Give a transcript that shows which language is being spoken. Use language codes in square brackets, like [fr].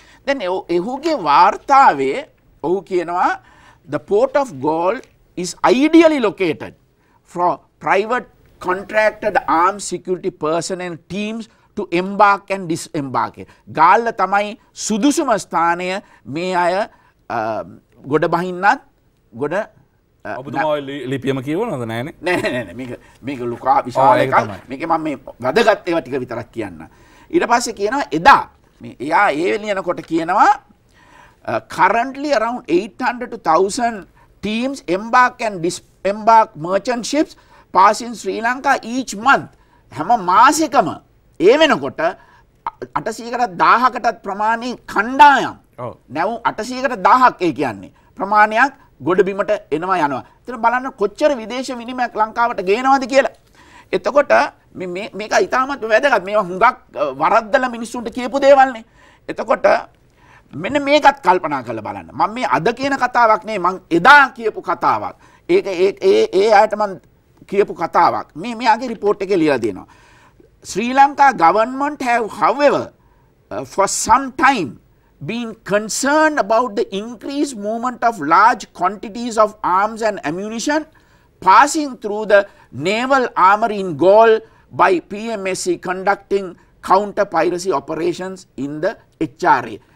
[si] දැන් එහුගේ වාර්තාවේ ඔහු කියනවා [en] the port of Galle is ideally located for private contracted armed security personnel teams to embark and disembark. [si] Galle තමයි සුදුසුම ස්ථානය මේ අය ගොඩ බහින්නත් ගොඩ ඔබතුමා ලිපියම කියවනවද නැහනේ? නෑ මේක ලුකා විශාල එකක්. මේකේ මම මේ වැදගත් ඒවා ටික විතරක් කියන්න. ඊට පස්සේ කියනවා එදා එයා ඒ වෙලිනකොට කියනවා [en] currently around 800 to 1000 teams embark and disembark merchant ships passing Sri Lanka each month. [si] හැම මාසෙකම ඒ වෙනකොට 800කට 1000කටත් ප්‍රමාණය කණ්ඩායම්. ඔව්. නැව් 800කට 1000ක් ඒ කියන්නේ ප්‍රමාණයක් ගොඩබිමට එනවා යනවා. එතන බලන්න කොච්චර විදේශ විනිමයක් ලංකාවට ගේනවද කියලා. එතකොට මේක ඉතාමත් වැදගත්. මේවා හුඟක් වරද්දලා මිනිස්සුන්ට කියපු දේවල්නේ. එතකොට මෙන්න මේකත් කල්පනා කරලා බලන්න. මම මේ අද කියන කතාවක් නෙවෙයි මං එදා කියපු කතාවක්. ඒක ඒ අයට මං කියපු කතාවක්. මේ යාගේ report එකේ ලියලා දෙනවා. [en] Sri Lanka government have however for some time been concerned about the increased movement of large quantities of arms and ammunition passing through the naval armory in Galle by PMSC conducting counter piracy operations in the HRA.